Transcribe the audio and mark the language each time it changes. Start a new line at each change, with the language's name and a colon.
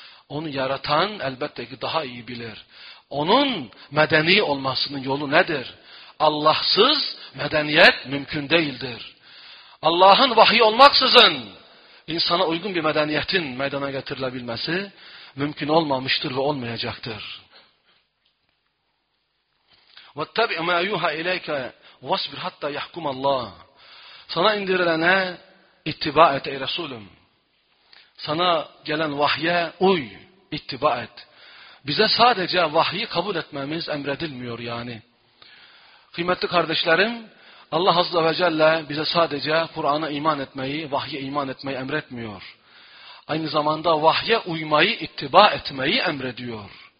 Turkish: Onu yaratan elbette ki daha iyi bilir. Onun medeni olmasının yolu nedir? Allahsız medeniyet mümkün değildir. Allah'ın vahyi olmaksızın insana uygun bir medeniyetin meydana getirilebilmesi mümkün olmamıştır ve olmayacaktır.
Arabic: وَاتَّبِعْ مَا يُوحَا اِلَيْكَ وَاسْبِرْ حَتَّى يَحْكُمَ اللّٰهِ
Turkish: Sana indirilene ittiba et ey Resulüm. Sana gelen vahye uy, ittiba et. Bize sadece vahyi kabul etmemiz emredilmiyor yani. Kıymetli kardeşlerim, Allah Azze ve Celle bize sadece Kur'an'a iman etmeyi, vahye iman etmeyi emretmiyor. Aynı zamanda vahye uymayı, ittiba etmeyi emrediyor.